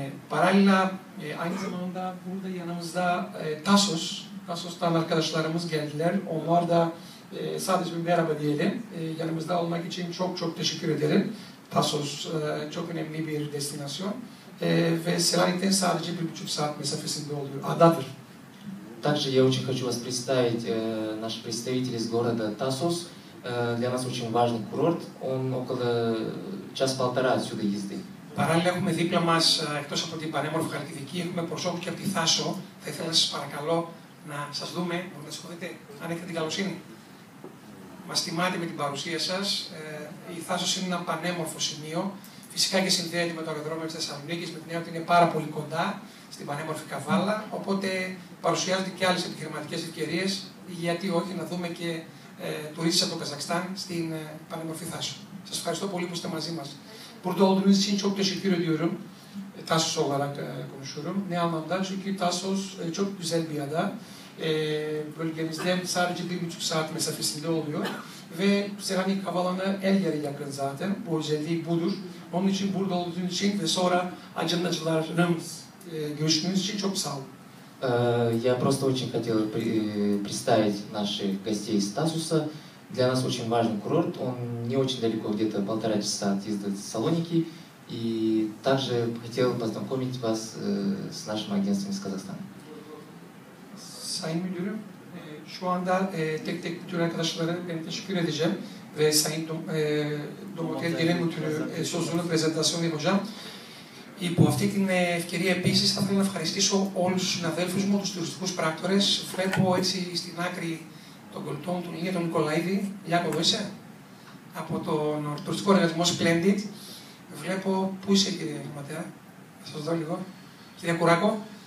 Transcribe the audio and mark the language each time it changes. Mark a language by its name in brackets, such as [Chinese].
[Russian] Параллельно, [Turkish] aynı zamanda burada yanımızda Tasos, Tasos'tan arkadaşlarımız geldiler. Onlar da sadece bir merhaba diyelim. Yanımızda olmak için çok çok teşekkür ederim. Tasos çok önemli bir destinasyon. Ve Selanik'ten sadece 1,5 saat mesafesinde oluyor. Adadır. [Russian] Также я очень хочу вас представить наши представители из города Тасос. Для нас очень важный курорт. Он около 1,5 часа отсюда езды. Параллельно [Greek] έχουμε δίπλα μας, εκτός από την πανέμορφη Χαλκιδική, έχουμε προσώπου και από τη Θάσο. Θα ήθελα να σας παρακαλώ να σας δούμε, μπορείτε να σηκωθείτε, αν έχετε την καλοσύνη. Μας τιμάτε με την παρουσία σας. Η Θάσος είναι ένα πανέμορφο σημείο. Φυσικά και συνδέεται με το αεροδρόμιο της Θεσσαλονίκης, με την έννοια ότι είναι πάρα πολύ κοντά στην πανέμορφη Καβάλα. Οπότε παρουσιάζονται και άλλες επιχειρηματικές ευκαιρίες, γιατί όχι να δούμε και τουρίστες από το Καζακστάν στην πανέμορφη Θάσο. Σας ευχαριστώ πολύ που είστε μαζί μας. [Turkish] Burada olduğunuz için çok teşekkür ediyorum. Tasos olarak konuşuyorum. Ne anlamda? Çünkü Tasos çok güzel bir ada. Bölgemizde sadece 1,5 saat mesafesinde oluyor. Ve Selanik Havalanı el yarı yakın zaten. Bu özelliği budur. Onun için burada olduğunuz için ve sonra Acınacılar'ın görüştüğünüz için çok sağ olun. [Russian] Я просто очень хотел представить наших гостей из Тасоса. Для нас очень важный курорт, он не очень далеко, где-то 1,5 часа от езды в Салоники. И также хотел познакомить вас с нашим агентством из Казахстана. [Turkish] Sayın müdürüm, şu anda tek tek bütün arkadaşlarına ben teşekkür edeceğim. Ve Sayın Domotel Genel Müdürü sözünü prezentasyonu yapacağım. [Greek] Υπό αυτή την ευκαιρία επίσης θα ήθελα να ευχαριστήσω όλους τους συναδέλφους μου, τους τουριστικούς πράκτορες. Βλέπω έτσι στην άκρη τον κολλητό μου, τον Ιγέ, τον Νικολαίδη, Λιάκο, εδώ είσαι, από τον τουριστικό οργανισμό Splendid. Βλέπω, πού είσαι κύριε Γραμματέα, θα σας δω λίγο, κύριε Κουράκο.